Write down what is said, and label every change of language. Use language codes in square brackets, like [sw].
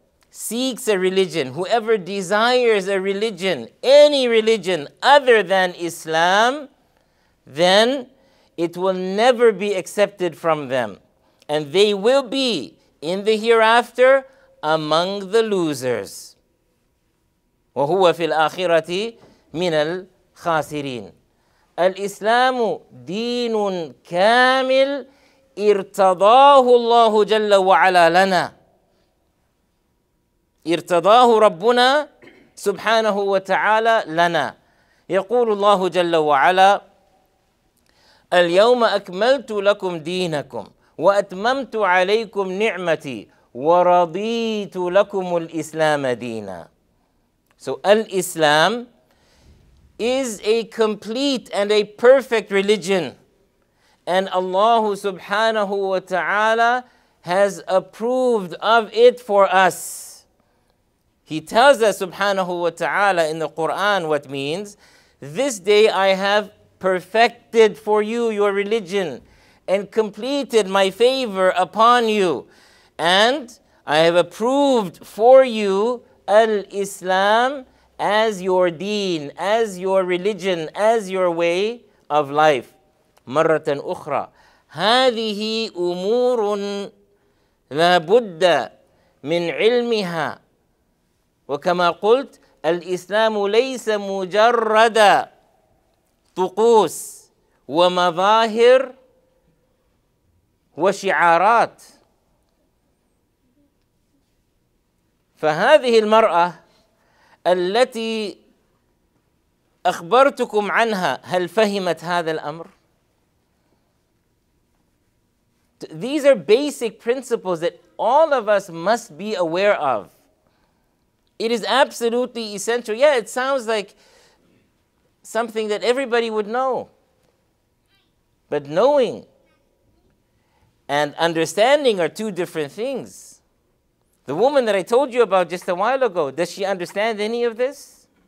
[en] seeks a religion, whoever desires a religion, any religion other than Islam, then it will never be accepted from them. And they will be, in the hereafter, among the losers. [ar] وَهُوَ فِي الْآخِرَةِ مِنَ الْخَاسِرِينَ الْإِسْلَامُ دِينٌ كَامِلٌ إِرْتَضَاهُ اللَّهُ جَلَّ وَعَلَى لَنَا إِرْتَضَاهُ رَبُّنَا سُبْحَانَهُ وَتَعَالَى لَنَا يقول الله جل وعلا اليوم أكملت لكم دينكم وأتممت عليكم نعمتي ورضيت لكم الإسلام دينا [en] So Islam is a complete and a perfect religion. And Allah subhanahu wa ta'ala has approved of it for us. He tells us subhanahu wa ta'ala in the Quran what means, this day I have perfected for you your religion and completed my favor upon you. And I have approved for you al-Islam as your deen, as your religion, as your way of life. [ar] مرة أخرى هذه أمور لا بد من علمها وكما قلت الإسلام ليس مجرد طقوس ومظاهر وشعارات فهذه المرأة التي أخبرتكم عنها هل فهمت هذا الأمر؟ [en] These are basic principles that all of us must be aware of. It is absolutely essential. Yeah, it sounds like something that everybody would know. But knowing and understanding are two different things. The woman that I told you about just a while ago, does she understand any of this?